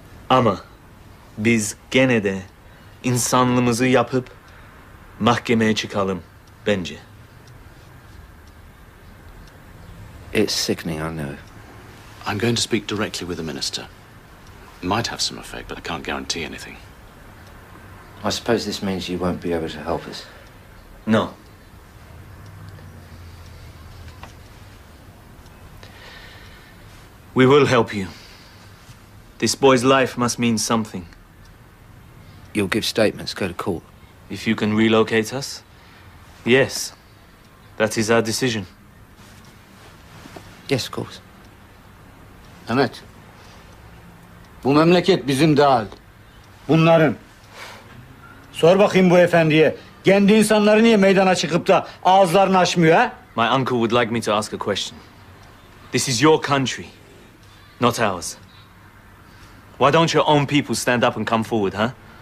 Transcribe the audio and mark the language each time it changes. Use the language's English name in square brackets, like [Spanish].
[Turkish] Ama biz gene de insanlığımızı yapıp mahkemeye çıkalım bence. [English] It's sickening, I know. I'm going to speak directly with the minister. It might have some effect, but I can't guarantee anything. I suppose this means you won't be able to help us. No. We will help you. This boy's life must mean something. You'll give statements, go to court. If you can relocate us? Yes. That is our decision. Yes, of course. [Turkish] Mehmet. Bu memleket bizim değil. Bunların. Sor bakayım bu efendiye. Kendi insanları niye meydana çıkıp da ağızlarını açmıyor, ha? [English] My uncle would like me to ask a question. This is your country. Not ours. Why don't your own people stand up and come forward, huh?